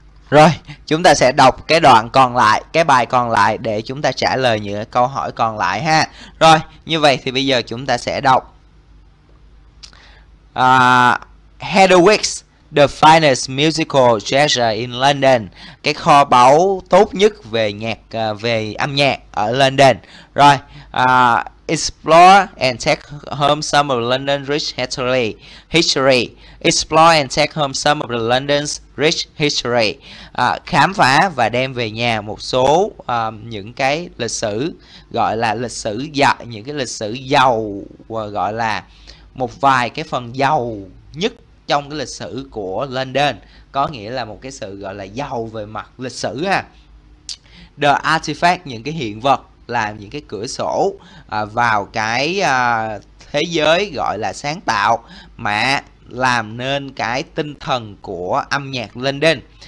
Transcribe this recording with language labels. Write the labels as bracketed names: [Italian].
[Vietnamese] Rồi, chúng ta sẽ đọc cái đoạn còn lại, cái bài còn lại để chúng ta trả lời những câu hỏi còn lại ha. Rồi, như vậy thì bây giờ chúng ta sẽ đọc. [English] Hedwig's, the finest musical treasure in London. [Vietnamese] Cái kho báu tốt nhất về nhạc, về âm nhạc ở London. [English] Rồi, explore and take home some of London's rich history. Explore and take home some of the London's rich history. [Vietnamese] Khám phá và đem về nhà một số những cái lịch sử, gọi là lịch sử giàu, những cái lịch sử giàu, gọi là một vài cái phần giàu nhất trong cái lịch sử của London. Có nghĩa là một cái sự gọi là giàu về mặt lịch sử ha. [English] The artifact, [Vietnamese] những cái hiện vật, làm những cái cửa sổ vào cái thế giới gọi là sáng tạo mà làm nên cái tinh thần của âm nhạc London.